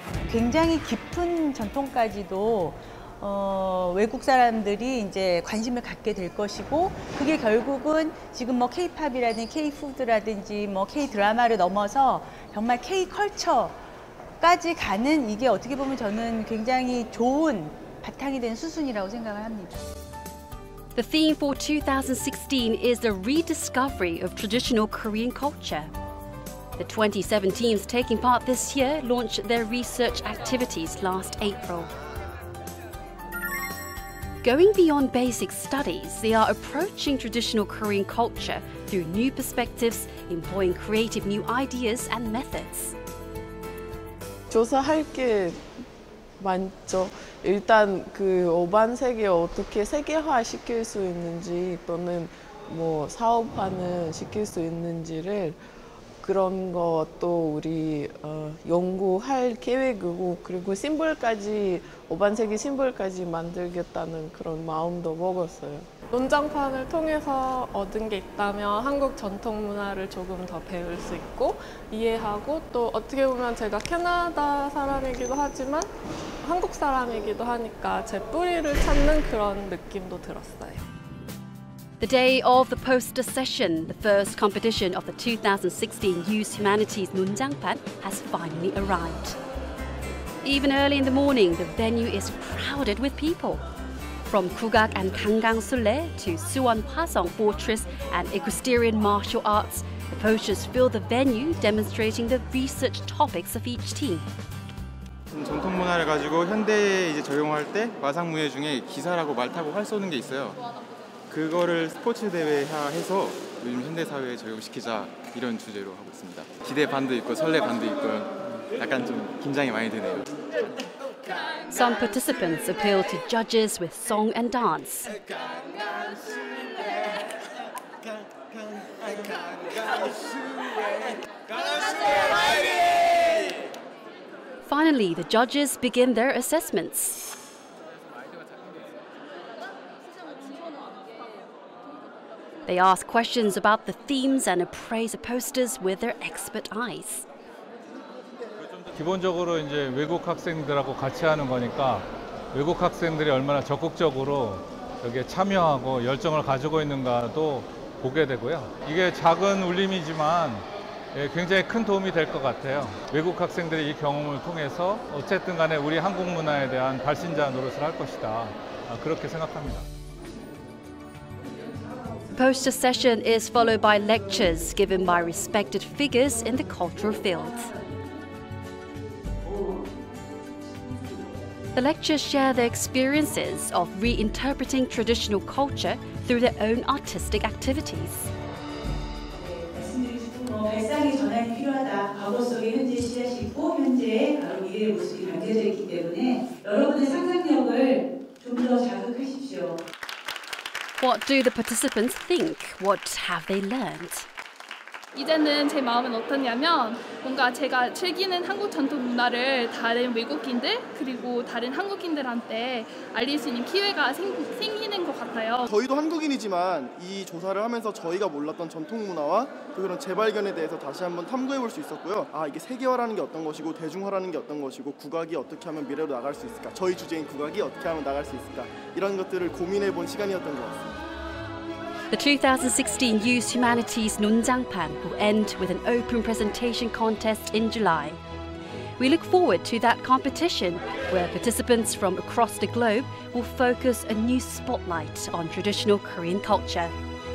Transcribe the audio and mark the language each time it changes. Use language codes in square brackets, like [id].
[ko] 굉장히 깊은 전통까지도 외국 사람들이 이제 관심을 갖게 될 것이고 그게 결국은 지금 뭐 K-POP이라든지 K-FOOD라든지 뭐 K-드라마를 넘어서 정말 K-컬처까지 가는 이게 어떻게 보면 저는 굉장히 좋은 바탕이 된 수순이라고 생각을 합니다. [en] The theme for 2016 is the rediscovery of traditional Korean culture. The 27 teams taking part this year launched their research activities last April. Going beyond basic studies, they are approaching traditional Korean culture through new perspectives, employing creative new ideas and methods. [ko] 조사할 게 많죠. 일단 그 오반 세계 어떻게 세계화 시킬 수 있는지 또는 뭐 사업화는 시킬 수 있는지를 그런 것도 우리 연구할 계획이고 그리고 심볼까지 오반세계 심볼까지 만들겠다는 그런 마음도 먹었어요. 논장판을 통해서 얻은 게 있다면 한국 전통 문화를 조금 더 배울 수 있고 이해하고 또 어떻게 보면 제가 캐나다 사람이기도 하지만 한국 사람이기도 하니까 제 뿌리를 찾는 그런 느낌도 들었어요. [en] The day of the poster session, the first competition of the 2016 Youth Humanities 논장판 has finally arrived. Even early in the morning, the venue is crowded with people. From Kugak and Kangang Sulle to Suwon Hwasong Fortress and equestrian martial arts, the posters fill the venue demonstrating the research topics of each team. [ko] 전통 문화를 가지고 현대에 이제 적용할 때 화상 문예 중에 기사라고 말 타고 활 쏘는 게 있어요. 그거를 스포츠 대회화해서 요즘 현대 사회에 적용시키자 이런 주제로 하고 있습니다. 기대 반도 있고 설레 반도 있고 약간 좀 긴장이 많이 되네요. [en] Some participants appeal to judges with song and dance. Finally, the judges begin their assessments. They ask questions about the themes and appraise the posters with their expert eyes. [ko] 기본적으로 이제 외국 학생들하고 같이 하는 거니까 외국 학생들이 얼마나 적극적으로 여기에 참여하고 열정을 가지고 있는가도 보게 되고요. 이게 작은 울림이지만 굉장히 큰 도움이 될 것 같아요. 외국 학생들이 이 경험을 통해서 어쨌든 간에 우리 한국 문화에 대한 발신자 노릇을 할 것이다. 그렇게 생각합니다. [en] The poster session is followed by lectures given by respected figures in the cultural field. The lecturers share their experiences of reinterpreting traditional culture through their own artistic activities. [ko] 발상이 전환이 필요하다. 과거 속의 현재 씨앗이 있고 현재의 바로 미래의 모습이 담겨져 있기 때문에 여러분의 상상력을 좀 더 자극하십시오. [en] What do the participants think? What have they learned? [ko] 이제는 제 마음은 어떻냐면 뭔가 제가 즐기는 한국 전통 문화를 다른 외국인들 그리고 다른 한국인들한테 알릴 수 있는 기회가 생기는 것 같아요. 저희도 한국인이지만 이 조사를 하면서 저희가 몰랐던 전통 문화와 또 그런 재발견에 대해서 다시 한번 탐구해 볼 수 있었고요. 아, 이게 세계화라는 게 어떤 것이고 대중화라는 게 어떤 것이고 국악이 어떻게 하면 미래로 나갈 수 있을까? 저희 주제인 국악이 어떻게 하면 나갈 수 있을까? 이런 것들을 고민해 본 시간이었던 것 같습니다. [en] The 2016 Youth Humanities 논장판 will end with an open presentation contest in July. We look forward to that competition, where participants from across the globe will focus a new spotlight on traditional Korean culture.